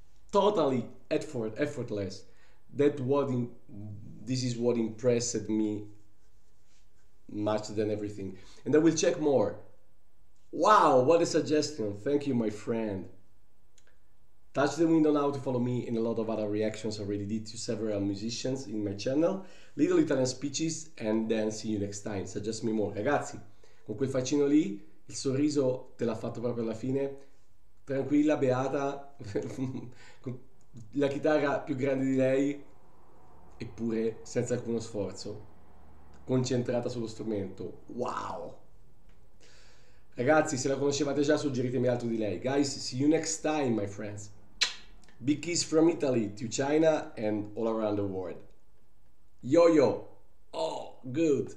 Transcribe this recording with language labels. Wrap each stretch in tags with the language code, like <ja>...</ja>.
<en>Totally effortless. This is what impressed me much than everything. And I will check more. Wow, what a suggestion. Thank you, my friend. Touch the window now to follow me in a lot of other reactions I already did to several musicians in my channel. Little Italian speeches and then see you next time. Suggest me more.</en> <it>Ragazzi, con quel faccino lì, il sorriso te l'ha fatto proprio alla fine. Tranquilla, beata, con la chitarra più grande di lei, eppure senza alcuno sforzo, concentrata sullo strumento. Wow! Ragazzi, se la conoscevate già, suggeritemi altro di lei.</it> <en>Guys, see you next time, my friends. Big kiss from Italy to China and all around the world. Yo-yo! Oh, good!</en>